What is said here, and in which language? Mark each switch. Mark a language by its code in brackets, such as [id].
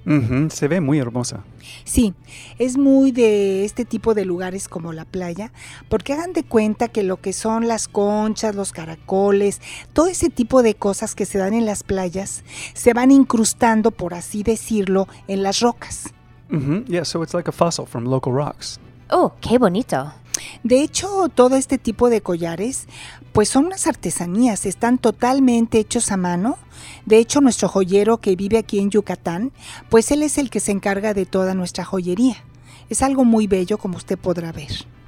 [es] Uh-huh. Se ve muy hermosa. Sí, es muy de este tipo de lugares como la playa, porque hagan de cuenta que lo que son las conchas, los caracoles, todo ese tipo de cosas que se dan en las playas, se van incrustando, por así decirlo, en las rocas. Uh-huh. [en] Yeah, so it's like a fossil from local rocks. [es] Oh, qué bonito. De hecho, todo este tipo de collares, pues son unas artesanías, están totalmente hechos a mano. De hecho, nuestro joyero que vive aquí en Yucatán, pues él es el que se encarga de toda nuestra joyería. Es algo muy bello, como usted podrá ver.